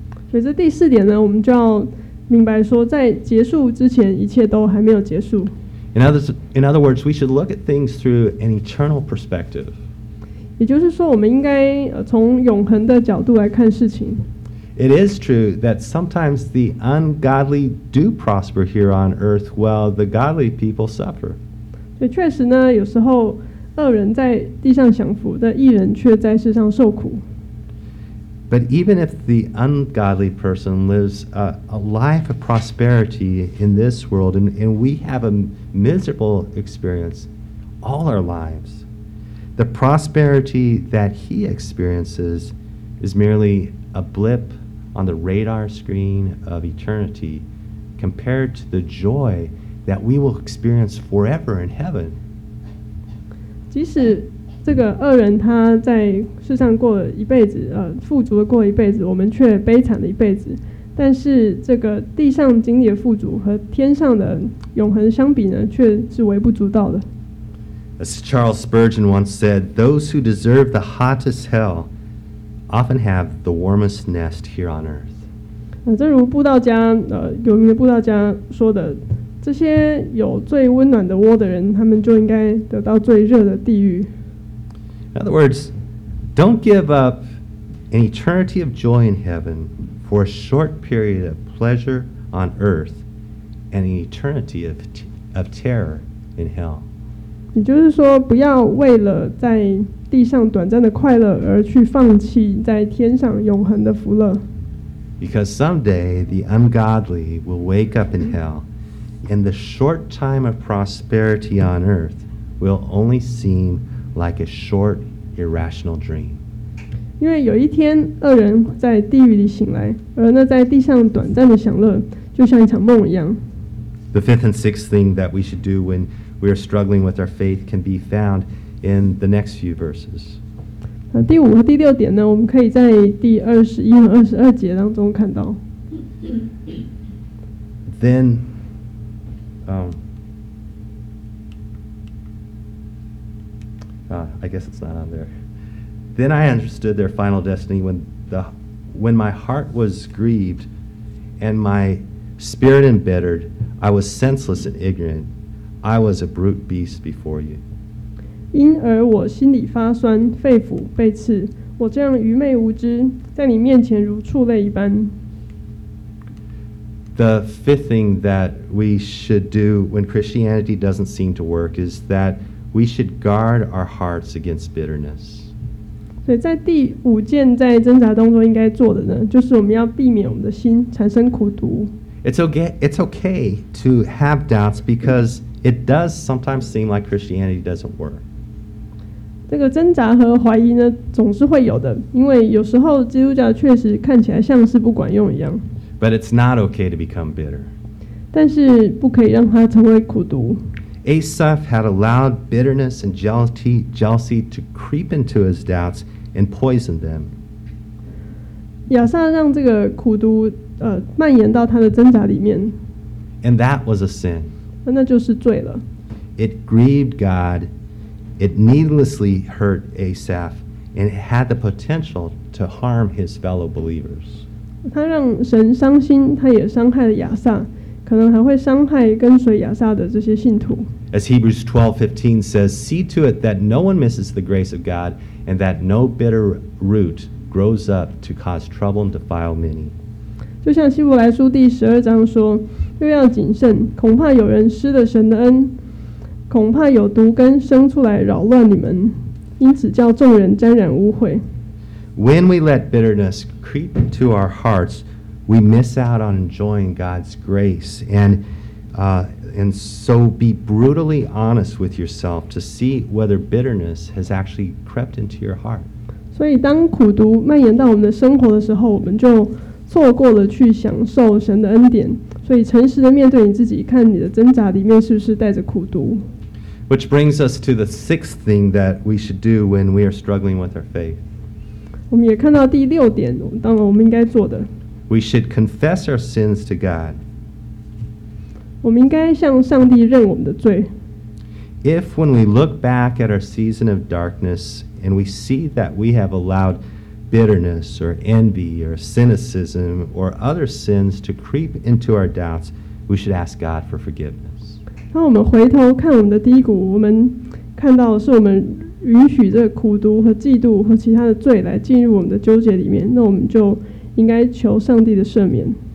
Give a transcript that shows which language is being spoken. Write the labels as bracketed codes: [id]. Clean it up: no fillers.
[zh] 所以这第四点呢，我们就要。明白说，在结束之前，一切都还没有结束。 [en] In other words, we should look at things through an eternal perspective. [zh] 也就是说，我们应该从永恒的角度来看事情。 [en] It is true that sometimes the ungodly do prosper here on earth, while the godly people suffer. [zh] 对，确实呢，有时候恶人在地上享福，但义人却在世上受苦。 [en] But even if the ungodly person lives a life of prosperity in this world, and we have a miserable experience all our lives, the prosperity that he experiences is merely a blip on the radar screen of eternity compared to the joy that we will experience forever in heaven. [zh] 即使这个恶人他在世上过了一辈子富足的过了一辈子我们却悲惨了一辈子但是这个地上经历的富足和天上的永恒相比呢却是微不足道的 [en] As Charles Spurgeon once said those who deserve the hottest hell often have the warmest nest here on earth [zh] 正如布道家有名的布道家说的这些有最温暖的窝的人他们就应该得到最热的地狱 [en] In other words, don't give up an eternity of joy in heaven for a short period of pleasure on earth and an eternity of terror in hell. [zh] 也就是说不要为了在地上短暂的快乐而去放弃在天上永恒的福乐。 [en] Because someday the ungodly will wake up in hell, and the short time of prosperity on earth will only seem like a short, irrational dream. [zh] 因为有一天恶人在地狱里醒来，而那在地上短暂的享乐就像一场梦一样。 [en] The fifth and sixth thing that we should do when we are struggling with our faith can be found in the next few verses. [zh] 第五和第六点呢，我们可以在第二十一和二十二节当中看到。 [en] Then, I guess it's not on there. Then I understood their final destiny when my heart was grieved and my spirit embittered. I was senseless and ignorant. I was a brute beast before you. [zh] 因而我心里发酸，肺腑被刺，我这样愚昧无知，在你面前如畜类一般。 [en] The fifth thing that we should do when Christianity doesn't seem to work is that we should guard our hearts against bitterness. [zh] 所以在第五件在挣扎当中应该做的呢，就是我们要避免我们的心产生苦毒。 [en] It's okay to have doubts because it does sometimes seem like Christianity doesn't work. [zh] 这个挣扎和怀疑呢，总是会有的，因为有时候基督教确实看起来像是不管用一样。 [en] But it's not okay to become bitter. [zh] 但是不可以让它成为苦毒。 [en] Asaph had allowed bitterness and jealousy to creep into his doubts and poison them. [zh] 亚撒让这个苦毒蔓延到他的挣扎里面。 [en] And that was a sin. [zh] 那就是罪了。 [en] It grieved God. It needlessly hurt Asaph, and it had the potential to harm his fellow believers. [zh] 他让神伤心，他也伤害了亚撒，可能还会伤害跟随亚撒的这些信徒。 [en] As Hebrews 12:15 says, "See to it that no one misses the grace of God, and that no bitter root grows up to cause trouble and defile many." [zh] 就像希伯来书第十二章说，又要谨慎，恐怕有人失了神的恩。恐怕有毒根生出来扰乱你们，因此叫众人沾染污秽。 [en] When we let bitterness creep into our hearts, we miss out on enjoying God's grace. And so be brutally honest with yourself to see whether bitterness has actually crept into your heart. [zh] 所以当苦毒蔓延到我们的生活的时候，我们就错过了去享受神的恩典。所以诚实地面对你自己，看你的挣扎里面是不是带着苦毒。 [en] Which brings us to the sixth thing that we should do when we are struggling with our faith. [zh] 我们也看到第六点，当然我们应该做的。 [en] We should confess our sins to God. [zh] 我们应该向上帝认我们的罪。 [en] If when we look back at our season of darkness and we see that we have allowed bitterness or envy or cynicism or other sins to creep into our doubts, we should ask God for forgiveness. [zh] 当我们回头看我们的低谷，我们看到的是我们允许这个苦毒和嫉妒和其他的罪来进入我们的纠结里面，那我们就应该求上帝的赦免。